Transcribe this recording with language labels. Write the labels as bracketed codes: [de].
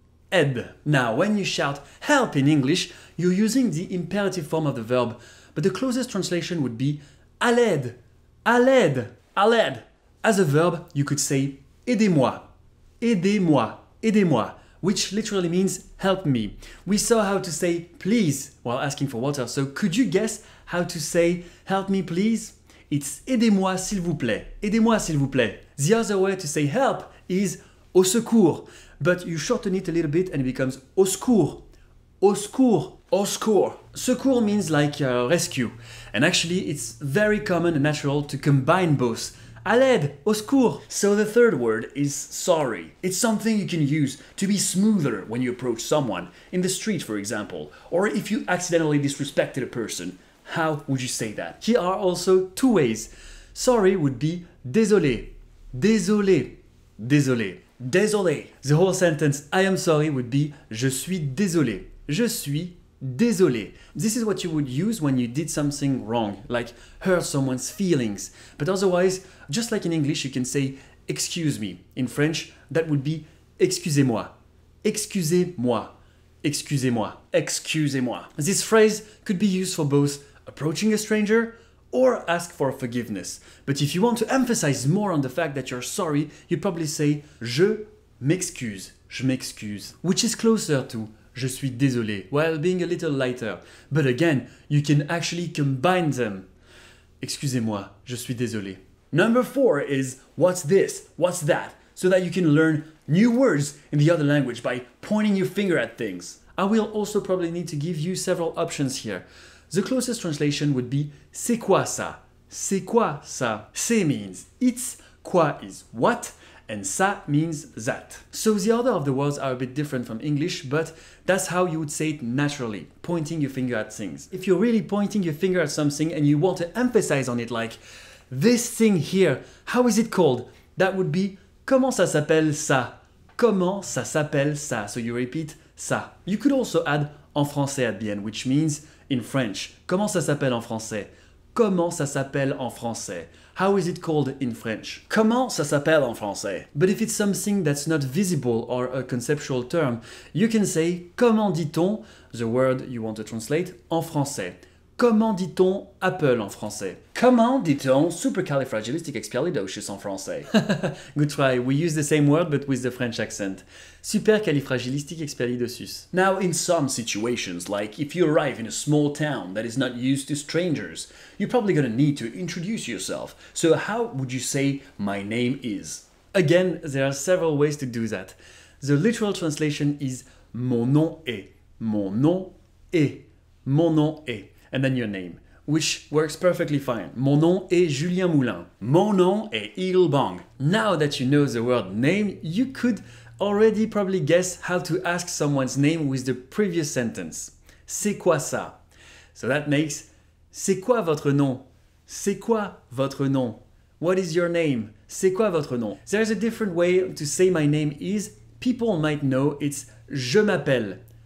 [en] Aide. Now, when you shout help in English, you're using the imperative form of the verb, but the closest translation would be [fr] à l'aide, à l'aide, à l'aide. [en] As a verb, you could say [fr] aidez-moi, aidez-moi, aidez-moi, [en] which literally means help me. We saw how to say please while asking for water, so could you guess how to say help me please? [fr] It's aidez-moi s'il vous plaît, aidez-moi s'il vous plaît. [en] The other way to say help is au secours, but you shorten it a little bit and it becomes [fr] au secours, au secours, au secours. [en] Secours means like rescue, and actually it's very common and natural to combine both. [fr] À l'aide, au secours. [en] So the third word is sorry. It's something you can use to be smoother when you approach someone, in the street for example, or if you accidentally disrespected a person. How would you say that? Here are also two ways. Sorry would be [fr] désolé, désolé, désolé, désolé. [en] The whole sentence I am sorry would be [fr] je suis désolé, je suis désolé. [en] This is what you would use when you did something wrong, like hurt someone's feelings. But otherwise, just like in English, you can say excuse me. In French, that would be [fr] excusez-moi, excusez-moi, excusez-moi, excusez-moi. [en] This phrase could be used for both approaching a stranger or ask for forgiveness. But if you want to emphasize more on the fact that you're sorry, you'd probably say [fr] je m'excuse, je m'excuse, [en] which is closer to [fr] je suis désolé, [en] while being a little lighter. But again, you can actually combine them. [fr] Excusez-moi, je suis désolé. [en] Number four is what's this, what's that, so that you can learn new words in the other language by pointing your finger at things. I will also probably need to give you several options here. The closest translation would be [fr] c'est quoi ça? C'est quoi ça? [en] C'est means it's, quoi is what, and ça means that. So the order of the words are a bit different from English, but that's how you would say it naturally, pointing your finger at things. If you're really pointing your finger at something and you want to emphasize on it, like this thing here, how is it called? That would be [fr] comment ça s'appelle ça? Comment ça s'appelle ça? [en] So you repeat ça. You could also add [fr] en français [en] at the end, which means in French. [fr] Comment ça s'appelle en français? Comment ça s'appelle en français? [en] How is it called in French? [fr] Comment ça s'appelle en français? [en] But if it's something that's not visible or a conceptual term, you can say [fr] comment dit-on, [en] the word you want to translate, [fr] en français. Comment dit-on Apple en français? Comment dit-on supercalifragilisticexpialidocious en français? [en] Good try. We use the same word but with the French accent. Supercalifragilisticexpialidocious. Now, in some situations, like if you arrive in a small town that is not used to strangers, you're probably going to need to introduce yourself. So how would you say my name is? Again, there are several ways to do that. The literal translation is [fr] mon nom est. Mon nom est. Mon nom est. [en] and then your name, which works perfectly fine. [fr] Mon nom est Julien Moulin. Mon nom est Eagle Bong. [en] Now that you know the word name, you could already probably guess how to ask someone's name with the previous sentence. [fr] C'est quoi ça? [en] So that makes, [fr] c'est quoi votre nom? C'est quoi votre nom? [en] What is your name? [fr] C'est quoi votre nom? [en] There's a different way to say my name is, people might know it's [fr] je m'appelle.